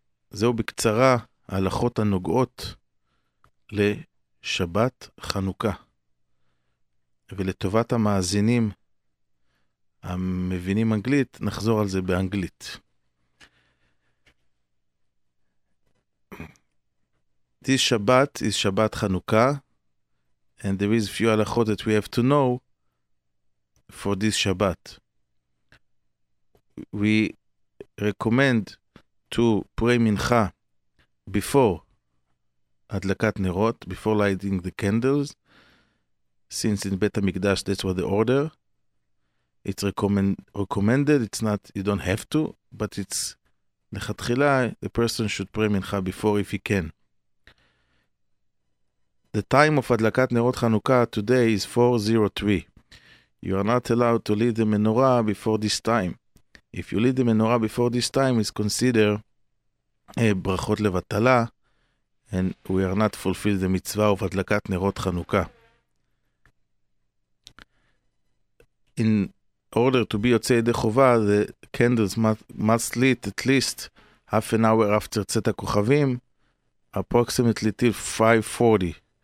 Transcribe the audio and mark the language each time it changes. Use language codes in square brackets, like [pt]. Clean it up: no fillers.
[he] זהו בקצרה ההלכות הנוגעות לשבת חנוכה. ולטובת המאזינים המבינים אנגלית, נחזור על זה באנגלית. [en] This Shabbat is Shabbat Chanukah, and there is a few halachot that we have to know for this Shabbat. We recommend to pray mincha before adlakat nerot, before lighting the candles, since in Bet HaMikdash that's what the order. It's recommended, it's not, you don't have to, but it's lechatchila, the person should pray mincha before if he can. The time of הדלקת נרות חנוכה today is 4:03. You are not allowed to leave the menorah before this time. If you leave the menorah before this time, it's considered ברכות לבטלה, and we are not fulfilled the mitzvah of הדלקת נרות חנוכה. In order to be יוצא ידי חובה, the candles must lit at least half an hour after צאת הכוכבים, approximately till 5:40.